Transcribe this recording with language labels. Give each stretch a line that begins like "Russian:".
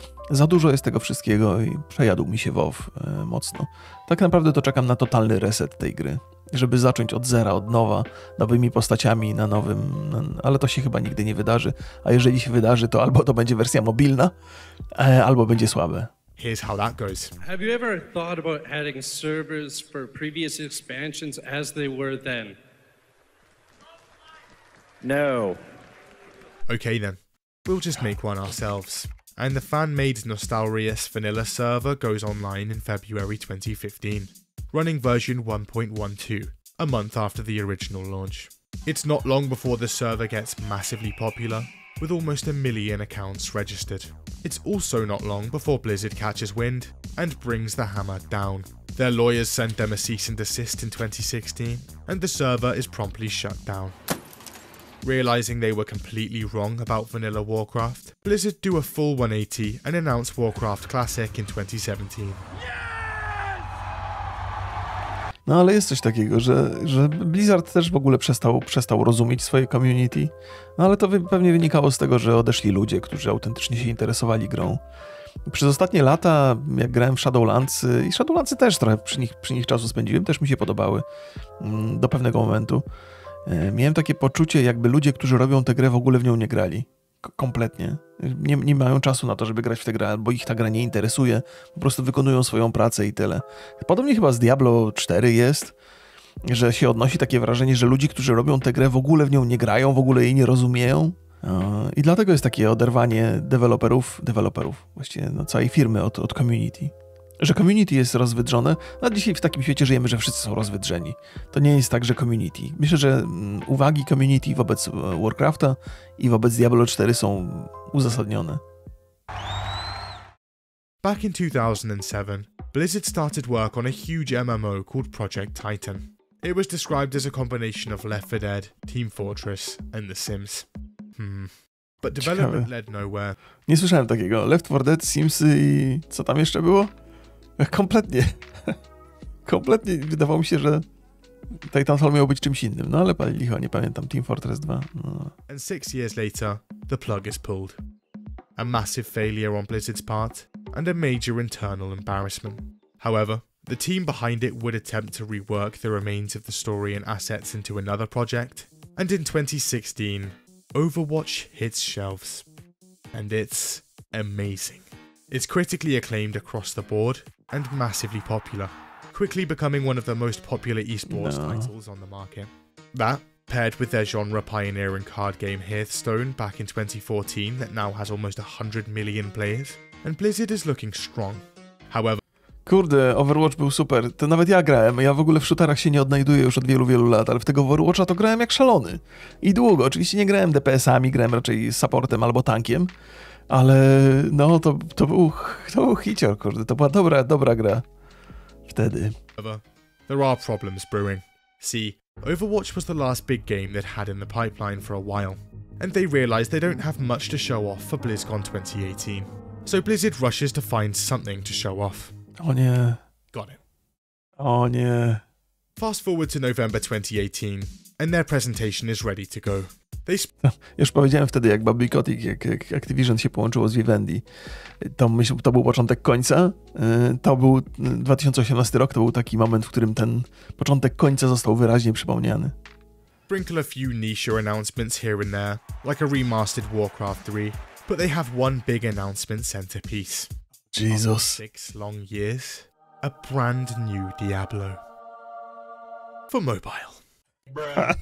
Polish: Za dużo jest tego wszystkiego i przejadł mi się WoW mocno. Tak naprawdę to czekam na totalny reset tej gry, żeby zacząć od zera, od nowa, nowymi postaciami, na nowym... Ale to się chyba nigdy nie wydarzy. A jeżeli się wydarzy, to albo to będzie wersja mobilna, albo będzie słabe.
English: Here's how that goes. Have you ever thought about adding servers for previous expansions as they were then? No. Okay then. We'll just make one ourselves. And the fan-made Nostalrius Vanilla server goes online in February 2015, running version 1.12, a month after the original launch. It's not long before the server gets massively popular, with almost a million accounts registered. It's also not long before Blizzard catches wind and brings the hammer down. Their lawyers send them a cease and desist in 2016, and the server is promptly shut down. Realizing they were completely wrong about vanilla Warcraft, Blizzard do a full 180 and announce Warcraft Classic in 2017.
Polish: No ale jest coś takiego, że Blizzard też w ogóle przestał rozumieć swoje community. No ale to pewnie wynikało z tego, że odeszli ludzie, którzy autentycznie się interesowali grą. Przez ostatnie lata, jak grałem w Shadowlands, i Shadowlands też trochę przy nich czasu spędziłem, też mi się podobały do pewnego momentu. Miałem takie poczucie, jakby ludzie, którzy robią tę grę, w ogóle w nią nie grali. Kompletnie. Nie mają czasu na to, żeby grać w tę grę, bo ich ta gra nie interesuje. Po prostu wykonują swoją pracę i tyle. Podobnie chyba z Diablo 4 jest, że się odnosi takie wrażenie, że ludzi, którzy robią tę grę, w ogóle w nią nie grają, w ogóle jej nie rozumieją. I dlatego jest takie oderwanie deweloperów, właściwie no, całej firmy od community. Że community jest rozwydrzone, a dzisiaj w takim świecie żyjemy, że wszyscy są rozwydrzeni. To nie jest tak, że community. Myślę, że uwagi community wobec Warcrafta i wobec Diablo 4 są uzasadnione.
English: Back in 2007, Blizzard started work on a huge MMO called Project Titan. It was described as a combination of Left 4 Dead, Team Fortress and The Sims. But development led nowhere.
Polish: Nie słyszałem takiego. Left 4 Dead, Sims i co tam jeszcze było? Kompletnie wydawało mi się, że Titanfall miał być czymś innym, no ale licho, nie pamiętam, Team Fortress 2. No.
English: And 6 years later, the plug is pulled. A massive failure on Blizzard's part, and a major internal embarrassment. However, the team behind it would attempt to rework the remains of the story and assets into another project, and in 2016, Overwatch hits shelves. And it's amazing. It's critically acclaimed across the board and massively popular, quickly becoming one of the most popular esports titles on the market. That, paired with their genre pioneering card game Hearthstone back in 2014 that now has almost 100 million players, and Blizzard is looking strong. However,
Polish: kurde, Overwatch był super. To nawet ja grałem. Ja w ogóle w shooterach się nie odnajduję już od wielu, wielu lat, ale w tego Overwatcha to grałem jak szalony. I długo. Oczywiście nie grałem DPS-ami, grałem raczej supportem albo tankiem. Ale no, to był hicior, kurde, to była dobra gra wtedy.
English: There are problems brewing. See, Overwatch was the last big game they'd had in the pipeline for a while, and they realized they don't have much to show off for BlizzCon 2018. So Blizzard rushes to find something to show off.
Polish: O nie.
English: Got it.
Polish: O nie.
English: Fast forward to November 2018, and their presentation is ready to go.
Polish: Już powiedziałem wtedy, jak Bobby Kotick, jak Activision się połączyło z Vivendi, to był początek końca. To był 2018 rok, to był taki moment, w którym ten początek końca został wyraźnie przypomniany.
English: Sprinkle a few niche announcements here and there, like a remastered Warcraft 3, but they have one big announcement centerpiece. Jesus. After 6 long years, a brand new Diablo. For mobile. Bruh.